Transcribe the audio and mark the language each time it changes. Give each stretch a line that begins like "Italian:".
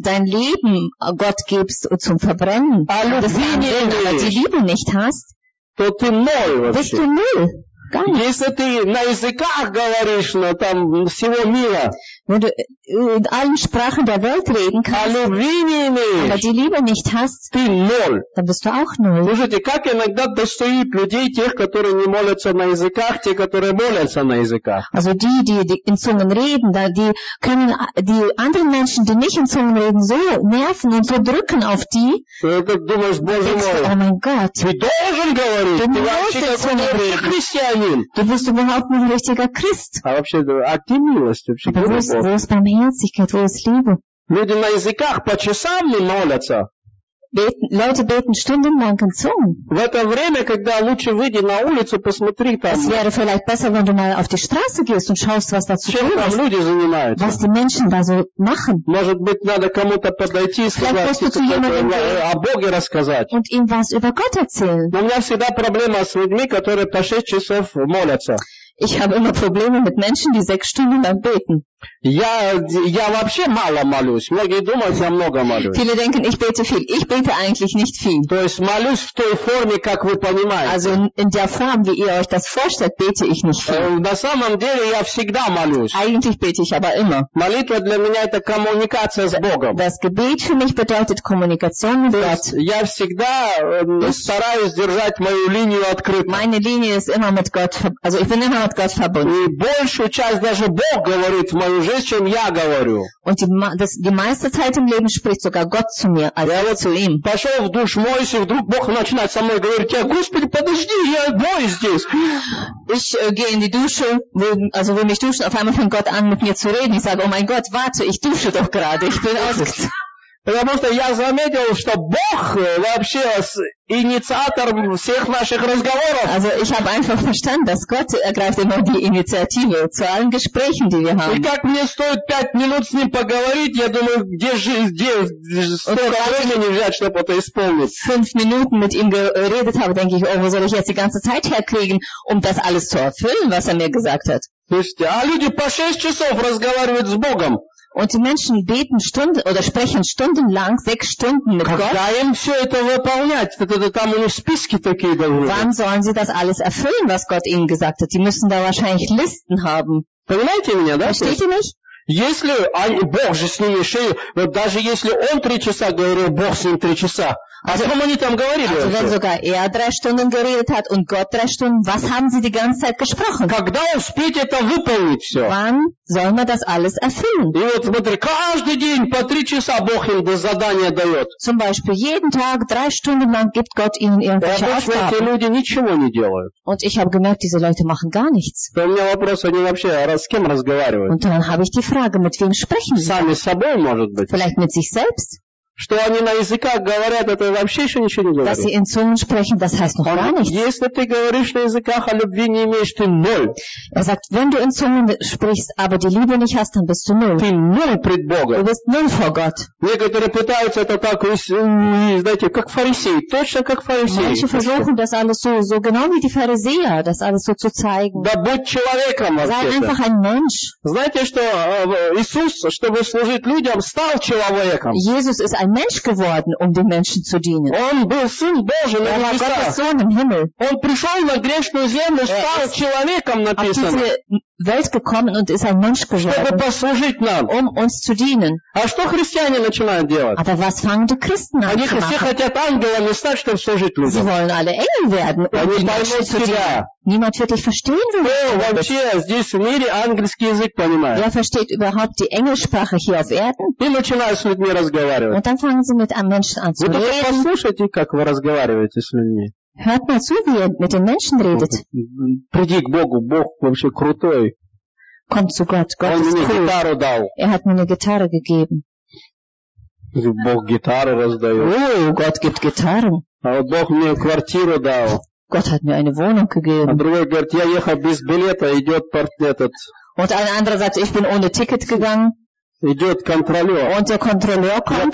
German: Dein Leben Gott gibst zum Verbrennen.
Russian: А любви не имеешь.
German: Die Liebe nicht hast.
Russian: То ты ноль вообще.
German: Bist du null. Gar nicht.
Russian: Если ты на языках говоришь, но там всего мира.
German: Wenn du in allen Sprachen der Welt reden kannst, aber die Liebe nicht hast, dann bist du auch null.
Russian: Слушайте, как иногда достоит людей тех, которые не молятся на языках, те, которые молятся на языках.
German: Also die in Zungen reden, die können die anderen Menschen, die nicht in Zungen reden, so nerven und so drücken auf die.
Russian: Думаешь, Боже мой,
German: oh mein Gott,
Russian: ты должен говорить,
German: du musst in Zungen reden.
Russian: Христианин.
German: Du bist überhaupt nicht ein richtiger Christ.
Russian: А вообще, а ты милость вообще?
German: Wo ist Barmherzigkeit, wo ist Liebe?
Russian: Люди на языках по часам не молятся.
German: Leute beten stundenlang in Zungen.
Russian: В это время, когда лучше выйди на улицу, посмотри там.
German: Es wäre vielleicht besser, wenn du mal auf die Straße gehst und schaust, was dazu kommt.
Russian: Чем там люди занимаются?
German: Was die Menschen da so machen.
Russian: Может быть, надо кому-то подойти и сказать о Боге рассказать.
German: Und ihm was über Gott erzählen.
Russian: Но у меня всегда проблема с людьми, которые по 6 часов молятся.
German: Ich habe immer Probleme mit Menschen, die 6 Stunden lang beten.
Russian: Я вообще мало молюсь. Многие думают, я много молюсь.
German: Viele denken, ich bete viel. Ich bete eigentlich nicht viel.
Russian: То есть молюсь в той форме, как вы понимаете.
German: Also in der Form, wie ihr euch das vorstellt, bete ich nicht viel.
Russian: На самом деле я всегда молюсь.
German: Eigentlich bete ich aber immer.
Russian: Молитва для меня это коммуникация с Богом.
German: Das Gebet für mich bedeutet Kommunikation mit Gott.
Russian: Я всегда стараюсь держать мою линию открытой.
German: Meine Linie ist immer mit Gott, also ich bin immer mit Gott verbunden.
Russian: И большую часть даже Бог говорит мою жизнь, чем я говорю.
German: Und die meiste Zeit im Leben spricht sogar Gott zu mir, also
Russian: я
German: zu ihm.
Russian: Пошел в душ, моюсь, и вдруг Бог начинает со мной говорить, я, Господи, подожди, я моюсь здесь.
German: Ich gehe in die Dusche, also will mich duschen, auf einmal fängt Gott an, mit mir zu reden. Ich sage, oh mein Gott, warte, ich dusche doch gerade, ich bin ausgezogen.
Russian: Потому что я заметил, что Бог вообще инициатор всех наших разговоров.
German: Also ich habe einfach verstanden, dass Gott ergreift immer die Initiative zu allen Gesprächen, die wir haben.
Russian: И как мне стоит 5 минут с ним поговорить, я думаю, где столько времени взять, чтобы это исполнить.
German: 5 Minuten mit ihm geredet habe, denke ich, oh, wo soll ich jetzt die ganze Zeit herkriegen, um das alles zu erfüllen, was mir gesagt hat.
Russian: Слушайте, а люди по 6 часов разговаривают с Богом.
German: Und die Menschen beten Stunden oder sprechen stundenlang, 6 Stunden mit Gott. Wann sollen sie das alles erfüllen, was Gott ihnen gesagt hat? Die müssen da wahrscheinlich Listen haben. Versteht ihr mich?
Russian: Если Бог же с ними шею, вот даже если он 3 часа говорил, Бог с ним 3 часа, о чем они там говорили?
German: Also wenn sogar 3 Stunden geredet hat und Gott 3 Stunden, was haben sie die ganze Zeit gesprochen?
Russian: Когда успеть это выполнить все?
German: Wann soll man das alles erfüllen?
Russian: И вот смотри, каждый день по 3 часа Бог им задание дает.
German: Zum Beispiel jeden Tag 3 Stunden lang gibt Gott ihnen irgendwelche Aufgaben.
Russian: Обычно эти люди ничего не делают.
German: Und ich habe gemerkt, diese Leute machen gar nichts.
Russian: То у меня вопрос, они вообще с кем разговаривают?
German: Und dann habe ich die Frage, mit wem sprechen sie?
Russian: Сами с собой, может быть.
German: Vielleicht mit sich selbst?
Russian: Что они на языках говорят, это вообще еще ничего не говорит.
German: Dass sie in Zungen sprechen, das heißt noch gar nichts.
Russian: Если ты говоришь на языках, а любви не имеешь, ты ноль.
German: Er sagt, wenn du in Zungen sprichst, aber die Liebe nicht hast, dann bist du null.
Russian: Ты ноль пред Богом.
German: Du bist null vor Gott.
Russian: Некоторые пытаются это так, знаете, как фарисеи, точно как фарисеи.
German: Manche versuchen das alles so genau wie die Pharisäer, das alles so zu zeigen.
Russian: Да будь человеком,
German: sei einfach ein Mensch.
Russian: Знаете, что Иисус, чтобы служить людям, стал человеком.
German: Jesus ist ein Mensch geworden, um den Menschen zu dienen. Er war Gottes Sohn im Himmel. Er ist auf diese Welt gekommen und ist ein Mensch geworden, um uns zu dienen. Aber was fangen die Christen an zu machen? Sie wollen alle Engel werden, um den Menschen zu dienen. Niemand wird dich verstehen, wenn du das sagst. Wer versteht überhaupt die Engelsprache hier auf Erden? Und dann fangen sie mit einem Menschen an zu reden. Hört mal zu, wie ihr mit den Menschen redet.
Russian: Приди к Богу, Бог вообще крутой.
German: Kommt zu Gott, Gott
Russian: Он
German: ist cool.
Russian: Gitarre дал.
German: Er hat mir eine Gitarre gegeben.
Russian: Бог Gitarre раздает.
German: Oh, Gott gibt Gitarren.
Russian: Aber Бог мне квартиру дал.
German: Gott hat mir eine Wohnung gegeben.
Russian: А другой говорит, я ехал без билета, идет портнет этот.
German: Und ein anderer sagt, ich bin ohne Ticket gegangen.
Russian: идет контролер.
German: Und der Kontrolleur kommt.